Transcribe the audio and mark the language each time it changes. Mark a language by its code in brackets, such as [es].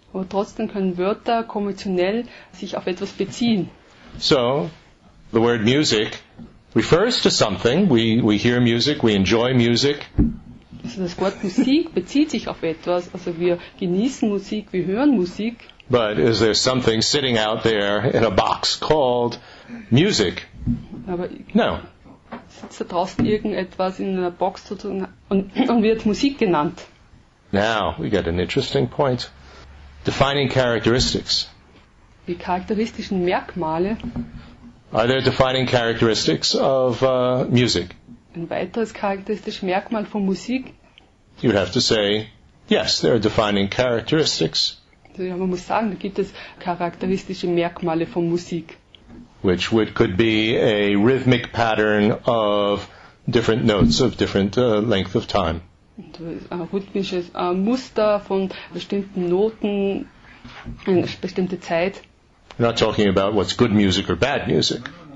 [de] Aber trotzdem können Wörter konventionell sich auf etwas beziehen. [en] So, the word music refers to something. We hear music, we enjoy music. [de] Also das Wort Musik bezieht sich auf etwas. Also wir genießen Musik, wir hören Musik. [en] But is there something sitting out there in a box called music? [de] Aber [en] no. [de] Sitzt da draußen irgendetwas in einer Box und wird Musik genannt? [en] Now we get an interesting point. Defining characteristics. [de] Die charakteristischen Merkmale. [en] Are there defining characteristics of music? [de] Ein weiteres charakteristisches Merkmal von Musik? [en] You'd have to say, yes, there are defining characteristics. [de] Ja, man muss sagen, da gibt es charakteristische Merkmale von Musik. [en] Which would, could be a rhythmic pattern of different notes of different length of time. [de] Ein rhythmisches Muster von bestimmten Noten in bestimmte Zeit. [en] We're not talking about what's good music or bad music.